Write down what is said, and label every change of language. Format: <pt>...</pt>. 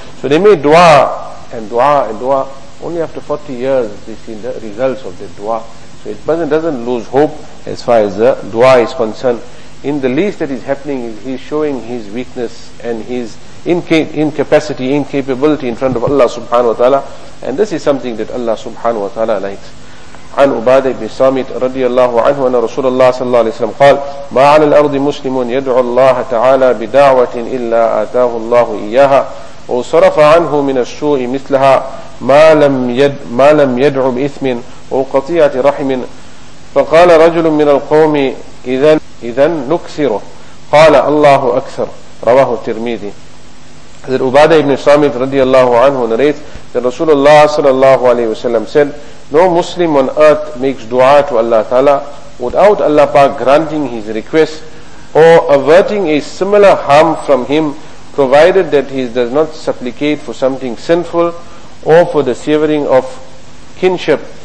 <en>So they made dua and dua and dua. Only after 40 years they see the results of the dua. So it doesn't lose hope as far as the dua is concerned. In the least that is happening, he is showing his weakness and his incapacity, incapability in front of Allah subhanahu wa ta'ala. And this is something that Allah subhanahu wa ta'ala likes.</en> <ar>عن عبادة بن صامت رضي الله عنه أن رسول الله صلى الله عليه وسلم قال ما على الأرض مسلم يدعو الله تعالى بدعوة إلا آتاه الله إياها وصرف عنه من السوء مثلها ما لم يدعو بإثم أو قطيعة رحم فقال رجل من القوم إذن نكسره قال الله أكثر رواه الترمذي.</ar> <en>That Ubadah ibn Samit radiallahu anhu narrates that Rasulullah sallallahu alayhi wasallam said, no Muslim on earth makes dua to Allah ta'ala without Allah Pak granting his request or averting a similar harm from him, provided that he does not supplicate for something sinful or for the severing of kinship.</en>